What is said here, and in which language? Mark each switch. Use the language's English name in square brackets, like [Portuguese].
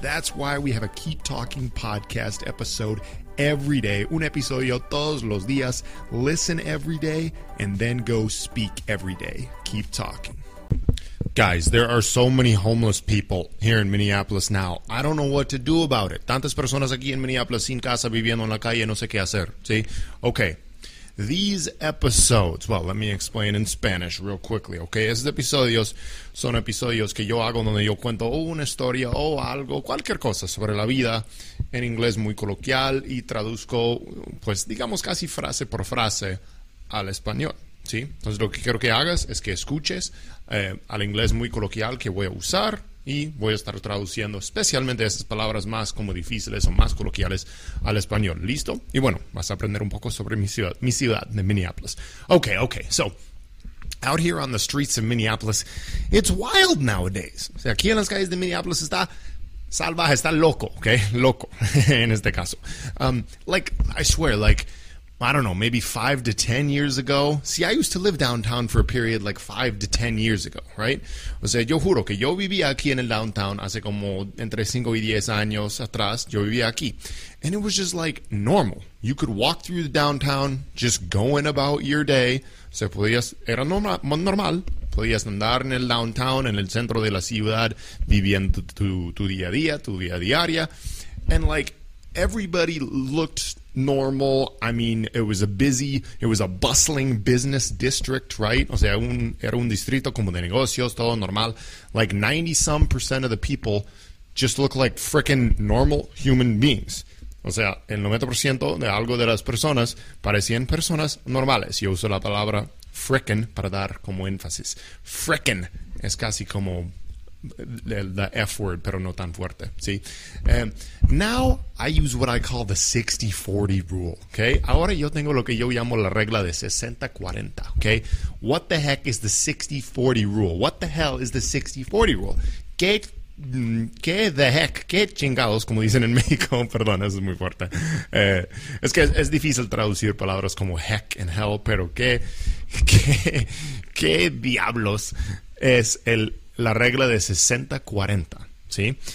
[English] That's why we have a Keep Talking Podcast episode every day. [Spanish] Un episodio todos los días. [English] Listen every day and then go speak every day. Keep talking. Guys, there are so many homeless people here in Minneapolis now. I don't know what to do about it. [Spanish] Tantas personas aquí en Minneapolis sin casa viviendo en la calle, no sé qué hacer. ¿Sí? Okay. [English] These episodes, well, let me explain in Spanish real quickly, okay? [Spanish] Esos episodios son episodios que yo hago donde yo cuento una historia o algo, cualquier cosa sobre la vida en inglés muy coloquial y traduzco, pues digamos casi frase por frase al español. ¿Sí? Entonces lo que quiero que hagas es que escuches al inglés muy coloquial que voy a usar y voy a estar traduciendo especialmente esas palabras más como difíciles o más coloquiales al español. ¿Listo? Y bueno, vas a aprender un poco sobre mi ciudad de Minneapolis. Okay. [English] So, out here on the streets of Minneapolis, it's wild nowadays. [Spanish] O sea, aquí en las calles de Minneapolis está salvaje, está loco, okay? Loco, en este caso. [English] Like, I swear, like, I don't know, maybe 5 to 10 years ago. See, I used to live downtown for a period like 5 to 10 years ago, right? [Spanish] O sea, yo juro que yo vivía aquí en el downtown hace como entre 5 y 10 años atrás. Yo vivía aquí. [English] And it was just like normal. You could walk through the downtown, just going about your day. [Spanish] O sea, podías, era normal. Podías andar en el downtown, en el centro de la ciudad, viviendo tu día a día, tu vida diaria. [English] And like, everybody looked normal. I mean, it was a bustling business district, right? [Spanish] O sea, era un distrito como de negocios, todo normal. [English] Like 90-some% of the people just look like freaking normal human beings. [Spanish] O sea, el 90% de algo de las personas parecían personas normales. Yo uso la palabra freaking para dar como énfasis. Freaking es casi como the F word, pero no tan fuerte, ¿sí? [English] Now, I use what I call the 60-40 rule, okay? [Spanish] Ahora yo tengo lo que yo llamo la regla de 60-40, okay? [English] What the heck is the 60-40 rule? What the hell is the 60-40 rule? [Spanish] ¿Qué the heck? ¿Qué chingados, como dicen en México? Perdón, eso es muy fuerte. Es que es difícil traducir palabras como heck and hell, pero ¿qué diablos es el la regla de 60-40, ¿sí?